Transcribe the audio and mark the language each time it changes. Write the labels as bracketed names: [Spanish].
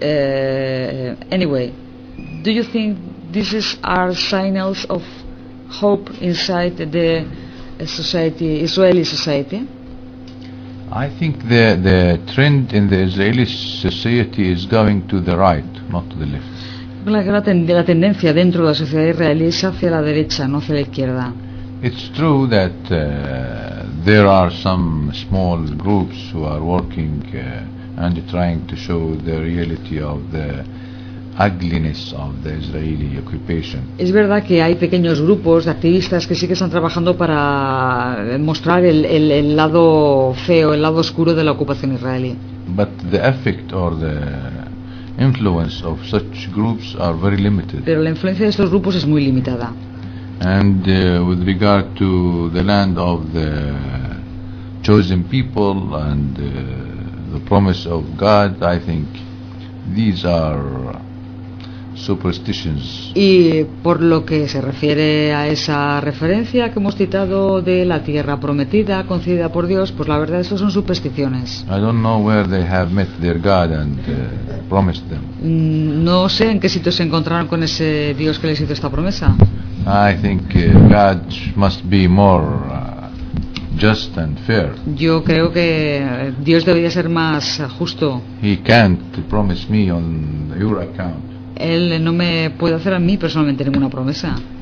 [English] Anyway, do you think this is our signals of hope inside the society, Israeli society? I think the trend in the Israeli society is going to the right, not to the left. [Spanish] La tendencia dentro de la sociedad israelí es hacia la derecha, no hacia la izquierda. [English] It's true that there are some small groups who are working and trying to show the reality of the ugliness of the Israeli occupation. [Spanish] Es verdad que hay pequeños grupos de activistas que sí que están trabajando para mostrar el lado feo, el lado oscuro de la ocupación israelí. [English] But the effect or the influence of such groups are very limited. [Spanish] Pero la influencia de estos grupos es muy limitada. [English] And with regard to the land of the chosen people and the promise of God, I think these are superstitions. [Spanish] Y por lo que se refiere a esa referencia que hemos citado de la tierra prometida concedida por Dios, pues la verdad, eso son supersticiones. [English] I don't know where they have met their God and promised them. [Spanish] No sé en qué sitio se encontraron con ese Dios que les hizo esta promesa. [English] I think God must be more just and fair. [Spanish] Yo creo que Dios debería ser más justo. [English] He can't promise me on your account. [Spanish] Él no me puede hacer a mí personalmente ninguna promesa.